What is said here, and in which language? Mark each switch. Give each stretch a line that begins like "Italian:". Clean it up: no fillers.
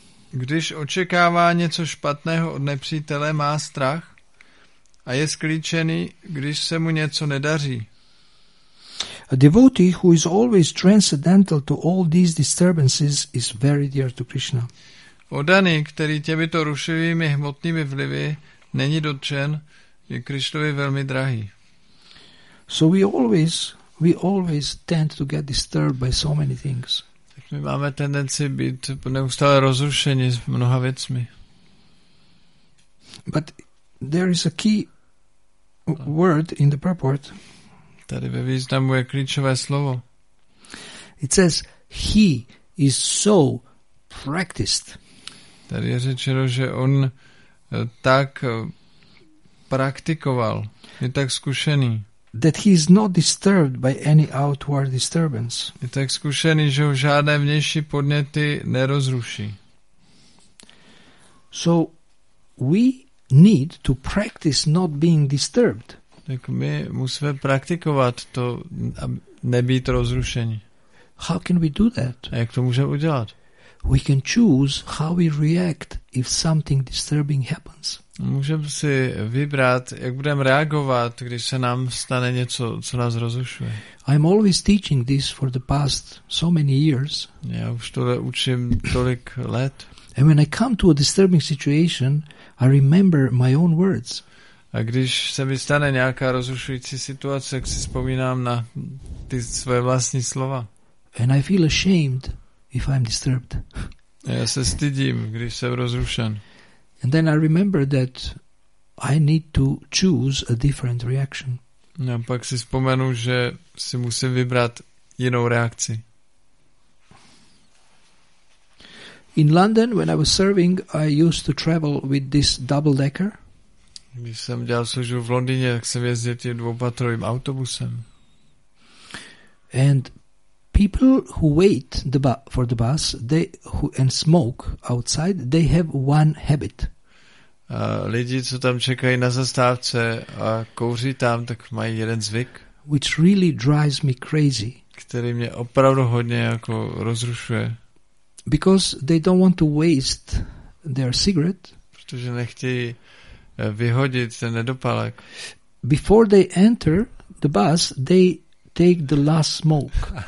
Czech: Když očekává něco špatného od nepřítele, má strach a je sklíčený, když se mu něco nedaří.
English: A devotee who is always transcendental to all these disturbances is very dear to Krishna.
Czech: Oddaný, který těmito rušivými hmotnými vlivy není dotčen, je Krišnovi velmi drahý.
English: So we always tend to get disturbed by so many things.
Czech: Tak my máme tendenci být neustále rozrušeni s mnoha věcmi.
English: But there is a key word in the purport.
Czech: Tady ve významu je klíčové slovo.
English: It says he is so practiced.
Czech: Tady je řečeno, že on tak praktikoval, je tak zkušený.
English: That he is not disturbed by any outward disturbance.
Czech: Je tak zkušený, že ho žádné vnější podněty nerozruší.
English: So we need to practice not being disturbed.
Czech: Tak my musíme praktikovat to, aby nebýt rozrušení.
English: How can we do that?
Czech: A jak to můžeme udělat?
English: We can choose how we react if something disturbing happens.
Czech: Můžeme si vybrat, jak budeme reagovat, když se nám stane něco, co nás rozrušuje.
English: I'm always teaching this for the past so many years.
Czech: Já už to učím tolik let.
English: And when I come to a disturbing situation, I remember my own words.
Czech: A když se mi stane nějaká rozrušující situace, tak si vzpomínám na ty své vlastní slova.
English: And I feel ashamed if I'm disturbed.
Czech: Já se stydím, když jsem rozrušen.
English: And then I remember that I need to choose a different reaction.
Czech: A pak si vzpomenu, že si musím vybrat jinou reakci.
English: In London, when I was serving, I used to travel with this double-decker.
Czech: Když jsem dělal službu v Londýně, tak jsem jezdil tím dvoupatrovým autobusem.
English: And people who wait for the bus, and smoke outside, they have one habit.
Czech: A lidi, co tam čekají na zastávce a kouří tam, tak mají jeden zvyk.
English: Which really drives me crazy.
Czech: Který mě opravdu hodně jako rozrušuje.
English: Because they don't want to waste their cigarette.
Czech: Protože nechtějí vyhodit ten nedopalek.
English: Before they enter the bus, they take the last smoke.